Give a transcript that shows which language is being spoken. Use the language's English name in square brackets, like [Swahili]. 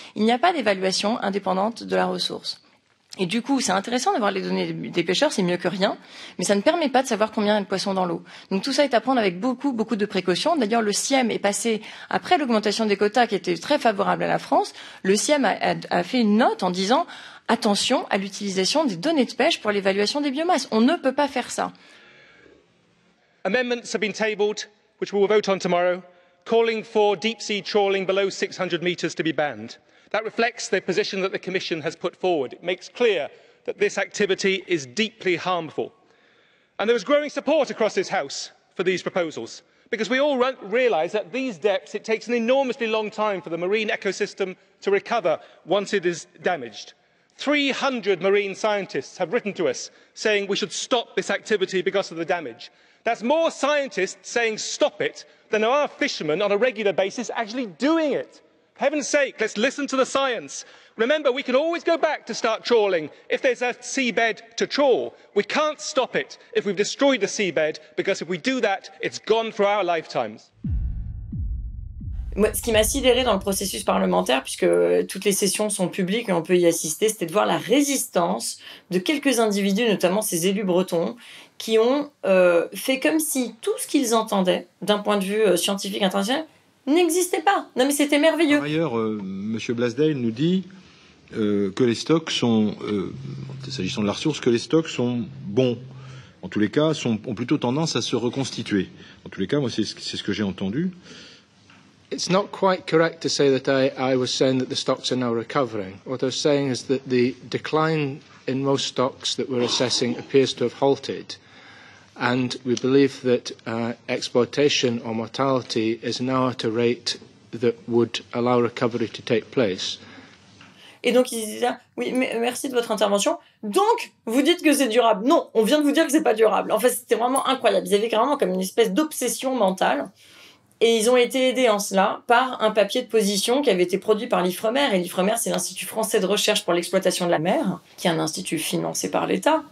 [French] Il n'y a pas d'évaluation indépendante de la ressource. Et du coup, c'est intéressant d'avoir les données des pêcheurs, c'est mieux que rien, mais ça ne permet pas de savoir combien il y a de poissons dans l'eau. Donc tout ça est à prendre avec beaucoup, beaucoup de précautions. D'ailleurs, le CIEM est passé, après l'augmentation des quotas qui était très favorable à la France, le CIEM a fait une note en disant « attention à l'utilisation des données de pêche pour l'évaluation des biomasses ». On ne peut pas faire ça. [English] Amendments have been tabled, which we will vote on tomorrow, calling for deep sea trawling below 600 meters to be banned. That reflects the position that the Commission has put forward. It makes clear that this activity is deeply harmful. And there is growing support across this House for these proposals, because we all realise that these depths, it takes an enormously long time for the marine ecosystem to recover once it is damaged. 300 marine scientists have written to us saying we should stop this activity because of the damage. That's more scientists saying stop it than there are fishermen on a regular basis actually doing it. Heaven's sake, let's listen to the science. Remember, we can always go back to start trawling if there's a seabed to trawl. We can't stop it if we've destroyed the seabed, because if we do that, it's gone for our lifetimes. [French] Ce qui m'a sidéré dans le processus parlementaire, puisque toutes les sessions sont publiques et on peut y assister, c'était de voir la résistance de quelques individus, notamment ces élus bretons, qui ont fait comme si tout ce qu'ils entendaient d'un point de vue scientifique international n'existait pas. Non mais c'était merveilleux. Par ailleurs, M. Blasdale nous dit que les stocks sont, s'agissant de la ressource, que les stocks sont bons. En tous les cas, ont plutôt tendance à se reconstituer. En tous les cas, moi, c'est ce que j'ai entendu. [English] It's not quite correct to say that I was saying that the stocks are now recovering. What I was saying is that the decline in most stocks that we're assessing appears to have halted. And we believe that exploitation or mortality is now at a rate that would allow recovery to take place. [French] Et donc ils disent oui, merci de votre intervention. Donc vous dites que c'est durable. Non, on vient de vous dire que c'est pas durable. En fait, c'était vraiment incroyable. Ils avaient carrément comme une espèce d'obsession mentale. Et ils ont été aidés en cela par un papier de position qui avait été produit par l'IFREMER. Et l'IFREMER, c'est l'Institut français de recherche pour l'exploitation de la mer, qui est un institut financé par l'État.